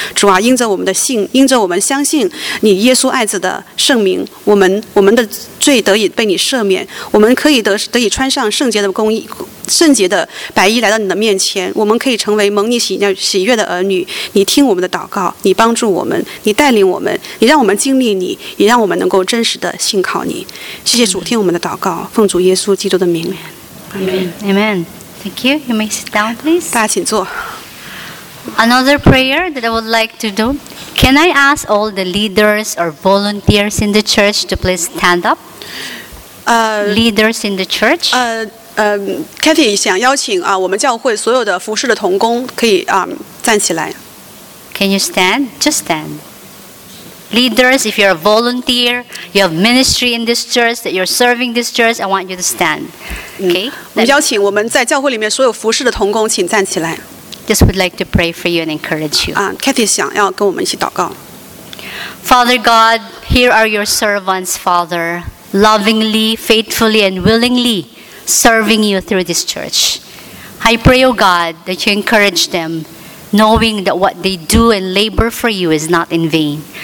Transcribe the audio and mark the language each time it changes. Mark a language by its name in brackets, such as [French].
[Chinese] 主啊，因着我们的信，因着我们相信你耶稣爱子的圣名，我们的罪得以被你赦免，我们可以 得以穿上圣洁的公义，圣洁的白衣来到你的面前，我们可以成为蒙你喜悦的儿女。你听我们的祷告，你帮助我们，你带领我们，你让我们经历你，也让我们能够真实的信靠你。谢谢主，听我们的祷告，奉主耶稣基督的名。 [English] Amen. Amen. Thank you. You may sit down, please. [Chinese] 大家请坐。 [English] Another prayer that I would like to do. Can I ask all the leaders or volunteers in the church to please stand up? Leaders in the church. [Chinese] Kathy 想邀请我们教会所有的服事的同工可以站起来。 [English] Can you stand? Just stand. Leaders, if you're a volunteer, you have ministry in this church, that you're serving this church, I want you to stand. Okay? [Chinese] 我邀请我们在教会里面所有服事的同工，请站起来。 [English] Just would like to pray for you and encourage you. [Chinese] Kathy 想要跟我们一起祷告。 [English] Father God, here are your servants, Father, lovingly, faithfully, and willingly serving you through this church. I pray, O God, that you encourage them. Knowing that what they do and labor for you is not in vain.